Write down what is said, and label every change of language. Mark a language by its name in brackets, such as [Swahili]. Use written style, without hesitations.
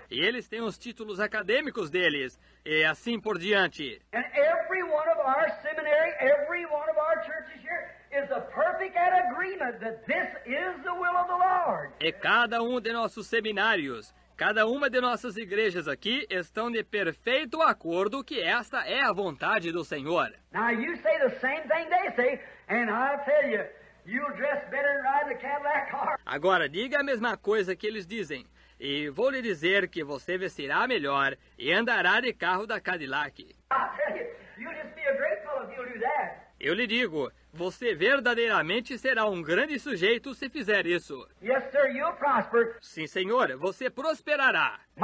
[Portuguese] E eles têm os títulos acadêmicos deles, e assim por diante. [English] And every one of our seminary, every one of our churches here is a perfect agreement that this is the will of the Lord. [Portuguese] E cada um de nossos seminários, cada uma de nossas igrejas aqui estão de perfeito acordo que esta é a vontade do Senhor. [English] Now you say the same thing they say, and I'll tell you, you'll dress better than ride the Cadillac car. [Portuguese] Agora diga a mesma coisa que eles dizem, e vou lhe dizer que você vestirá melhor e andará de carro da Cadillac. [English] You'll just be a great fellow if you'll do that. [Portuguese] Eu lhe digo, você verdadeiramente será um grande sujeito se fizer isso. [English] Yes, sir, you'll prosper. [Portuguese] Sim, senhor, você prosperará.